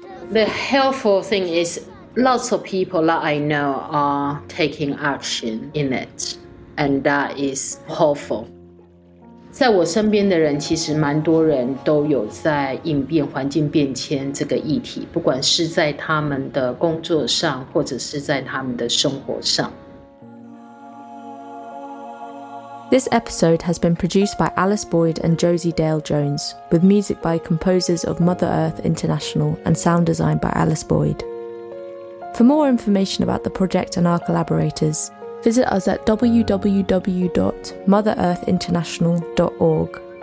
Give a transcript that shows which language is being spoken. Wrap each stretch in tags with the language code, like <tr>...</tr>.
<en>The helpful thing is lots of people that I know are taking action in it, and that is hopeful.</en> <zh>在我身边的人，其实蛮多人都有在应变环境变迁这个议题，不管是在他们的工作上，或者是在他们的生活上。</zh> <en>This episode has been produced by Alice Boyd and Josie Dale Jones, with music by composers of Mother Earth International and sound design by Alice Boyd. For more information about the project and our collaborators, visit us at www.MotherEarthInternational.org.</en>